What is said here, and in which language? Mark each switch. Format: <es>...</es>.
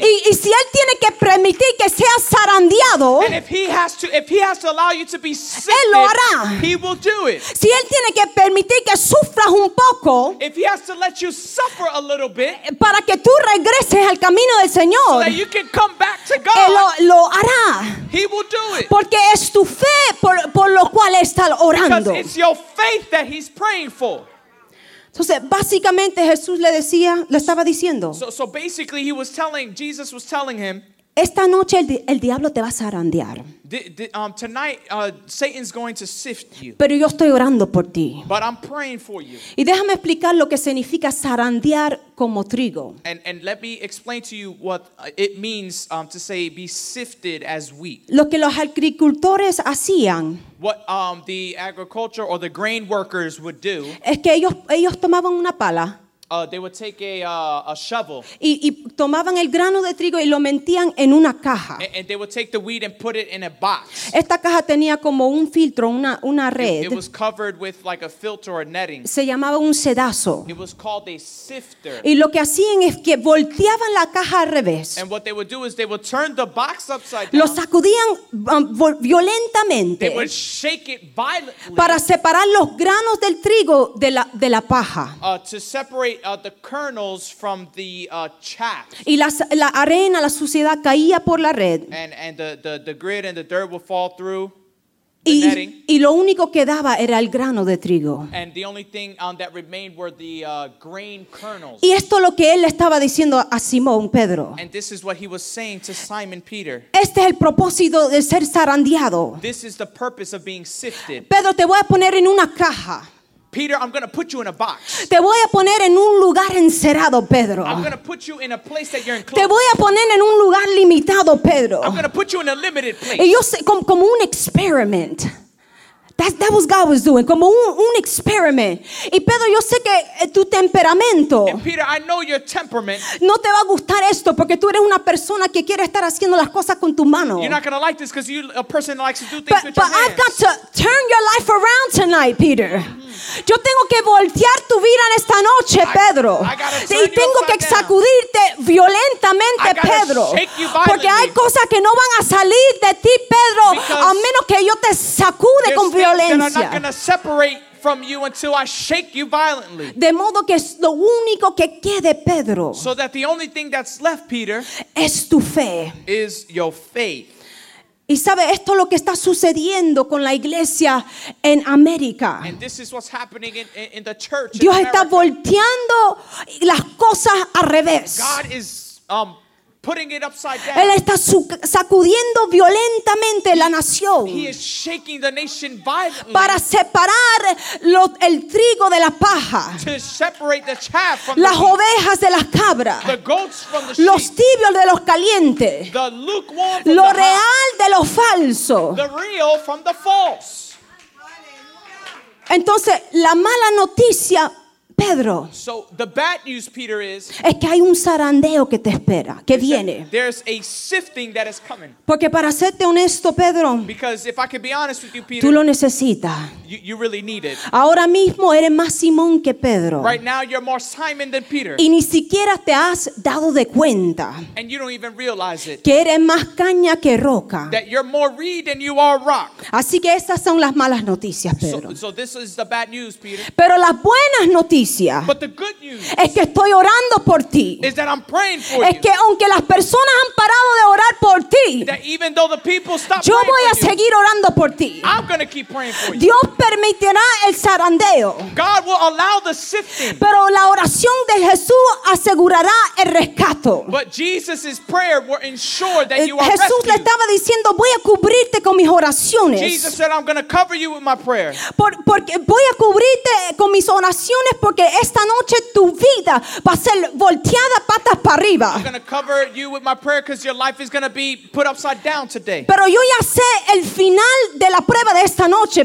<es>Y si él tiene que permitir que sea zarandeado,</es> <en>and if he has to allow you to be sick,</en> <es>él lo hará.</es> <en>He will do it.</en> <es>Si él tiene que permitir que sufras un poco,</es> <en>if he has to let you suffer a little bit,</en> <es>para que tú regreses al camino del Señor,</es> <en>so that you can come back to God,</en> <es>él lo hará.</es> <en>He will do it.</en> <es>Porque es tu fe por lo cual está orando.</es> <en>Because it's your faith that he's praying for.</en> <es>Entonces, básicamente Jesús le decía, le estaba diciendo.</es> <en>So basically he was telling, Jesus was telling him,</en> <es>esta noche el diablo te va a zarandear.</es> <en>Tonight, Satan's going to sift you.</en> <es>Pero yo estoy orando por ti.</es> <en>But I'm praying for you.</en> <es>Y déjame explicar lo que significa zarandear como trigo.</es> <en>And let me explain to you what it means to say be sifted as wheat.</en> <es>Lo que los agricultores hacían.</es> <en>What the agriculture or the grain workers would do.</en> <es>Es que ellos tomaban una pala.</es> <en>They would take a shovel.</en> <es>Y tomaban el grano de trigo y lo metían en una caja.</es> <en>And they would take the wheat and put it in a box.</en> <es>Esta caja tenía como un filtro, una red.</es> <en>It was covered with like a filter or netting.</en> <es>Se llamaba un sedazo.</es> <en>It was called a sifter.</en> <es>Y lo que hacían es que volteaban la caja al revés.</es> <en>And what they would do is they would turn the box upside down.</en> <es>Lo sacudían violentamente.</es> <en>They would shake it violently.</en> <es>Para separar los granos del trigo de la paja.</es> <en>To separate the kernels from the chaff.</en> <es>Y la arena, la suciedad caía por la red.</es> <en>And the grid and the dirt would fall through the netting.</en> <es>Y lo único que quedaba era el grano de trigo.</es> <en>And the only thing that remained were the grain kernels.</en> <es>Y esto es lo que él estaba diciendo a Simón Pedro.</es> <en>And this is what he was saying to Simon Peter.</en> <es>Este es el propósito de ser zarandeado.</es> <en>This is the purpose of being sifted.</en> <es>Pedro, te voy a poner en una caja.</es> <en>Peter, I'm going to put you in a box.</en> <es>Te voy a poner en un lugar encerrado, Pedro.</es> <en>I'm going to put you in a place that you're enclosed.</en> <es>Te voy a poner en un lugar limitado, Pedro.</es> <en>I'm going to put you in a limited place.</en> <es>Y yo sé, como un experiment.</es> <en>That was God was doing.</en> <es>Como un experiment. Y Pedro, yo sé que tu temperamento.</es> <en>And Peter, I know your temperament. No te va a gustar esto porque tú eres una persona que quiere estar haciendo las cosas con tu mano. You're not going to like this because you're a person that likes to do things with your hands. But I've got to turn your life around tonight, Peter.</en> <es>Yo tengo que voltear tu vida en esta noche, Pedro. Y tengo que sacudirte violentamente, Pedro. Porque hay cosas que no van a salir de ti, Pedro, a menos que yo te sacude con violencia.</es> <en>From you until I shake you violently.</en> <es>De modo que es lo único que quede, Pedro.</es> <en>So that the only thing that's left, Peter,</en> <es>es tu fe.</es> <en>Is your faith.</en> <es>Y sabe, esto es lo que está sucediendo con la iglesia en América.</es> <en>And this is what's happening in the church.</en> <es>Dios</es> <en>in</en> <es>está volteando las cosas al revés.</es> <en>God is putting it upside down.</en> <es>Él está sacudiendo violentamente la nación.</es> <en>He is shaking the nation violently.</en> <es>Para separar el trigo de la paja.</es> <en>To separate the chaff from</en> <es>las ovejas de las cabras.</es> <en>The goats from the</en> <es>los tibios de los calientes.</es> <en>The lukewarm from</en> <es>lo</es> <en>the real hot.</en> <es>De lo falso.</es> <en>The real from the false.</en> <es>Entonces, la mala noticia, Pedro.</es> <en>So the bad news, Peter, is.</en> <es>Es que hay un zarandeo que te espera, que viene.</es> <en>There's a sifting that is coming.</en> <es>Porque para serte honesto, Pedro.</es> <en>Because if I could be honest with you, Peter.</en> <es>Tú lo necesitas.</es> <en>You really need it.</en> <es>Ahora mismo eres más Simón que Pedro.</es> <en>Right now you're more Simon than Peter.</en> <es>Y ni siquiera te has dado de cuenta.</es> <en>And you don't even realize it.</en> <es>Que eres más caña que roca.</es> <en>That you're more reed than you are rock.</en> <es>Así que esas son las malas noticias, Pedro.</es> <en>So this is the bad news, Peter.</en> <es>Pero las buenas noticias. noticia.</es> <en>But the good news</en> <es>es que estoy orando por ti.</es> <en>Is that I'm praying for</en> <es>es</es> <en>you.</en> <es>Que aunque las personas han parado de orar por ti,</es> <en>that even though the people stop praying for you,</en> <es>yo voy a seguir orando por ti.</es> <en>I'm going to keep praying for you.</en> <es>Dios permitirá el zarandeo.</es> <en>God will allow the sifting.</en> <es>Pero la oración de Jesús asegurará el rescate.</es> <en>But Jesus' prayer will ensure that you are rescued.</en> <es>Jesús le estaba diciendo, voy a cubrirte con mis oraciones.</es> <en>Jesus said, I'm going to cover you with my prayer.</en> <es>Porque voy a cubrirte con mis oraciones porque esta noche tu vida va a ser volteada patas para arriba.</es> <en>I'm going to cover you with my prayer because your life is going to be put upside down today.</en> <es>Pero yo ya sé el final de la prueba de esta noche.</es>